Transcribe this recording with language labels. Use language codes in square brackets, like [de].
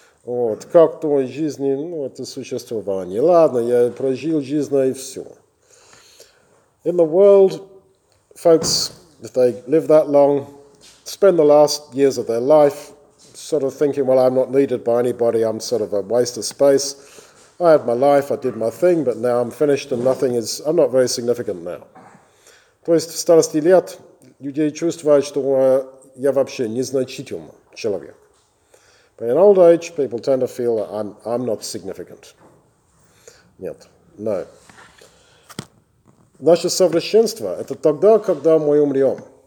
[ru] Вот, как-то в жизни, ну, это существование. Ладно, я прожил жизнь, и все. [en] In the world, folks, if they live that long, spend the last years of their life sort of thinking, well, I'm not needed by anybody, I'm sort of a waste of space. I had my life, I did my thing, but now I'm finished and nothing is, I'm not very significant now. [ru] То есть в старости лет люди чувствуют, что я вообще незначительный человек. [en] But in old age, people tend to feel that I'm not significant. [ru] Нет, [en] no. [ru] Наше совершенство – это тогда, когда мы умрем.